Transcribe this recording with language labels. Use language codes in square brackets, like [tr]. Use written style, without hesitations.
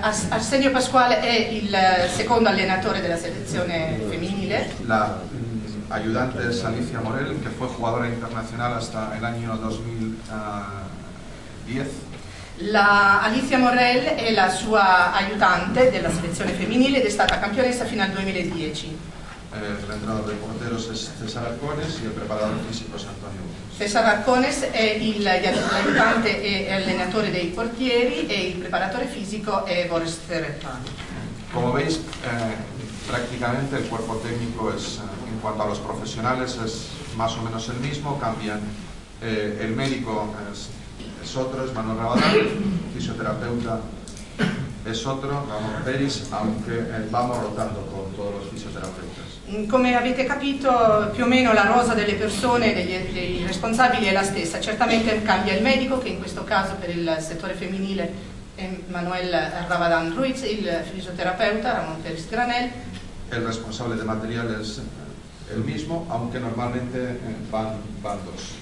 [it] Arsenio Pascual è il secondo allenatore della selezione femminile. [es] La ayudante es Alicia Morel, que fue jugadora internacional hasta el año 2010. [it] La Alicia Morel è la sua aiutante della selezione femminile ed è stata campionessa fino al 2010. L'entrenatore dei porteros è César Arcones e il preparatore fisico è Antonio Gómez. César Arcones è l'aiutante e allenatore dei portieri e il preparatore fisico è Boris Ferretani. Come [es] veis, [it] praticamente il [es] cuerpo tecnico, [it] in quanto a [es] los profesionales, è más o menos el mismo, cambian el médico. Es otro, es Manuel Rabadán, fisioterapeuta es otro, Ramón Peris, aunque vamos rotando con todos los fisioterapeutas. [it] Come avete capito, più o meno la rosa delle persone, dei responsabili è la stessa. Certamente cambia il medico, che in questo caso per il settore femminile è Manuel Rabadán Ruiz, il fisioterapeuta Ramón Peris Granel. [es] El responsable de material es il mismo, [it] anche normalmente [es] van dos.